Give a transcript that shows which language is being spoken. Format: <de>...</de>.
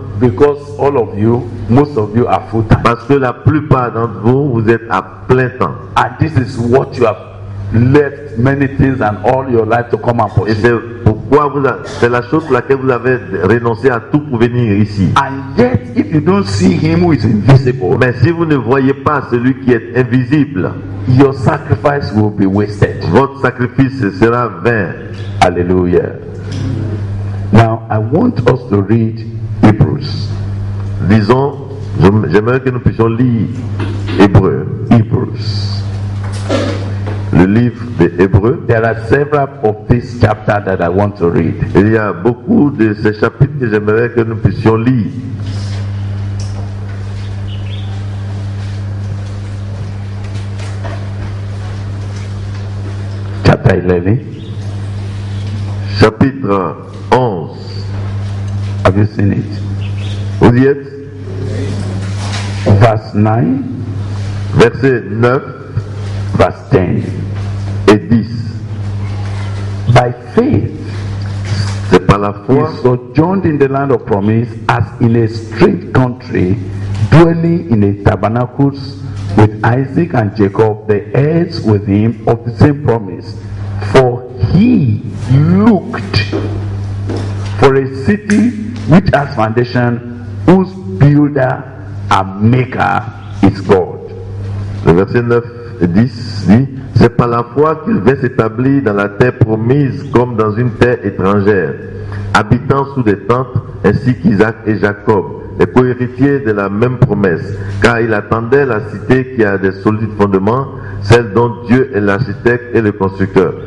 <en>Because all of you, most of you are full time.</en> <fr>Parce que la plupart d'entre vous, vous êtes à plein temps.</fr> <en>And this is what you have left many things and all your life to come and pursue.</en> <fr>Et c'est pourquoi c'est la chose pour laquelle vous avez renoncé à tout pour venir ici.</fr> <en>And yet, if you don't see him who is invisible,</en> <fr>mais si vous ne voyez pas celui qui est invisible,</fr> <en>your sacrifice will be wasted.</en> <fr>Votre sacrifice sera vain.</fr> <en>Hallelujah. Now, I want us to read Hébreux.</en> <fr>Disons, j'aimerais que nous puissions lire Hébreux. Hébreux. Le livre des Hébreux.</fr> <en>There are several of this chapter that I want to read.</en> <fr>Il y a beaucoup de ces chapitres que j'aimerais que nous puissions lire. Chapitre 11. Chapitre 11.</fr> <en>Have you seen it?</en> <fr>Vous y êtes?</fr> <en>Verse 9.</en> <fr>Verset 9.</fr> <en>Verse 10.</en> <fr>Et 10.</fr> <en>By faith,</en> <fr>c'est par la foi,</fr> <en>he sojourned in the land of promise as in a strange country, dwelling in a tabernacle with Isaac and Jacob, the heirs with him of the same promise. For he looked for a city which has foundation, whose builder and maker is God.</en> <fr>Le verset 9 et 10 dit, c'est par la foi qu'il vient s'établir dans la terre promise comme dans une terre étrangère, habitant sous des tentes, ainsi qu'Isaac et Jacob, les co-héritiers de la même promesse, car il attendait la cité qui a des solides fondements, celle dont Dieu est l'architecte et le constructeur.</fr>